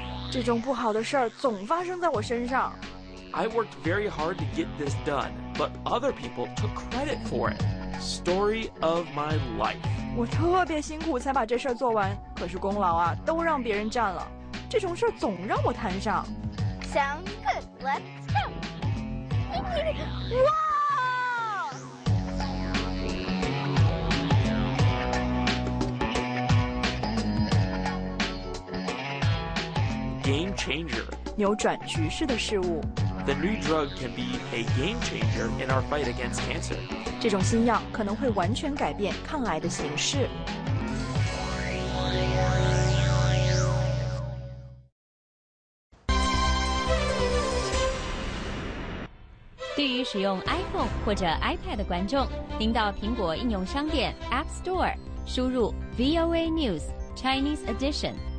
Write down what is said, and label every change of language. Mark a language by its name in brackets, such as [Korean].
[Chinese] 这种不好的事儿总发生在我身上。 [English] I worked very hard to get this done, but other people took credit for it. Story of my life. [Chinese] 我特别辛苦才把这事儿做完，可是功劳啊都让别人占了。这种事儿总让我摊上。 [English] Sounds good. Let's go. [Chinese] 哇！ [English] Game changer. [Chinese] 扭转局势的事物。 [English] The new drug can be a game changer in our fight against cancer. [Chinese] 这种新药可能会完全改变抗癌的形式。对于使用 iPhone 或者 iPad 的观众，您到苹果应用商店 App Store 输入 VOA News Chinese Edition。